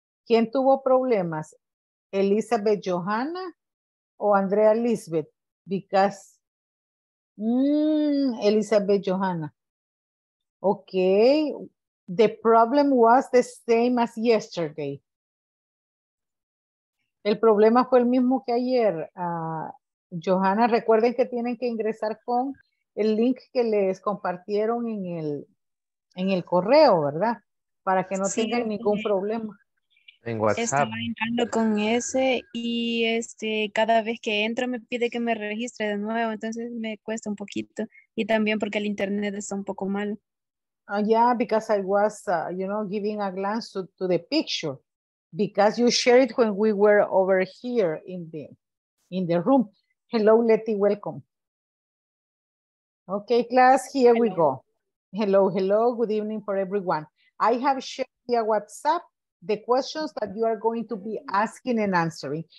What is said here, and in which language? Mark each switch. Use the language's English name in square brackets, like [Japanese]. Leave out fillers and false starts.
[Spanish] ¿Quién tuvo problemas? Elizabeth Johanna o Andrea Lisbeth? [English] Because Elizabeth Johanna. Okay, the problem was the same as yesterday. [Spanish] El problema fue el mismo que ayer. Johanna, recuerden que tienen que ingresar con el link que les compartieron en el correo, ¿verdad? Para que no tengan ningún problema. En WhatsApp. Estaba entrando con ese y cada vez que entro me pide que me registre de nuevo, entonces me cuesta un poquito. Y también porque el internet está un poco mal. [English] Yeah, because I was, giving a glance to the picture. Because you shared it when we were over here in the room. Hello, Leti, welcome. Okay, class, here hello. We go. Hello, hello, good evening for everyone. I have shared via WhatsApp the questions that you are going to be asking and answering.